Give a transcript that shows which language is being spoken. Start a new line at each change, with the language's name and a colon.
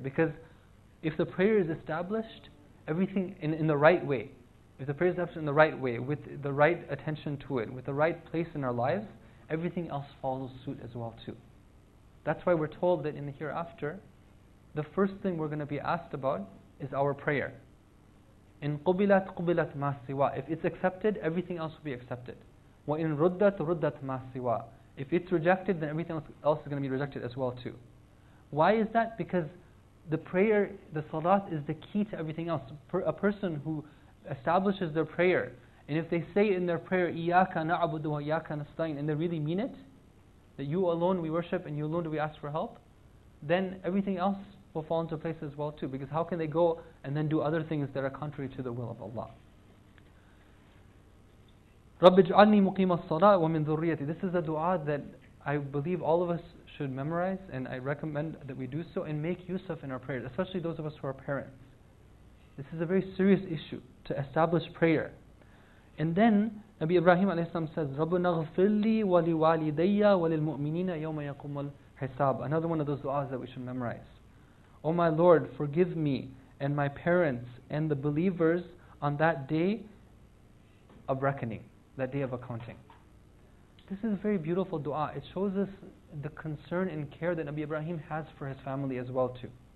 English: Because if the prayer is established, everything in the right way, if the prayer is established in the right way, with the right attention to it, with the right place in our lives, everything else follows suit as well too. That's why we're told that in the hereafter, the first thing we're going to be asked about is our prayer.
Arabic: In قُبِلَتْ قُبِلَتْ مَا سِوَى.
English: If it's accepted, everything else will be accepted.
Arabic: وَإِن رُدَّتْ رُدَّتْ مَا سِوَى.
English: If it's rejected, then everything else is going to be rejected as well too. Why is that? Because the prayer, the salat, is the key to everything else. A person who establishes their prayer And if they say in their prayer,
Arabic: إِيَّاكَ نَعْبُدُ وَإِيَّاكَ نَسْتَعِينُ,
English: and they really mean it, that you alone we worship and you alone do we ask for help, then everything else will fall into place as well too. Because how can they go and then do other things that are contrary to the will of Allah?
Arabic: رَبِّ اجْعَلْنِي مُقِيمَ الصَّلَاةِ وَمِنْ ذُرِّيَّتِي.
English: This is a dua that I believe all of us should memorize, and I recommend that we do so and make use of in our prayers, especially those of us who are parents. This is a very serious issue to establish prayer. And then Nabi Ibrahim alayhi salam says,
Arabic: رَبُّنَا اغْفِرْ لِي وَلِوَالِدَيَّ وَلِلْمُؤْمِنِينَ يَوْمَ يَقُمُ الْحِسَابُ.
English: Another one of those du'as that we should memorize. Oh my Lord, forgive me and my parents and the believers on that day of reckoning, that day of accounting. This is a very beautiful du'a. It shows us the concern and care that Nabi Ibrahim has for his family as well too.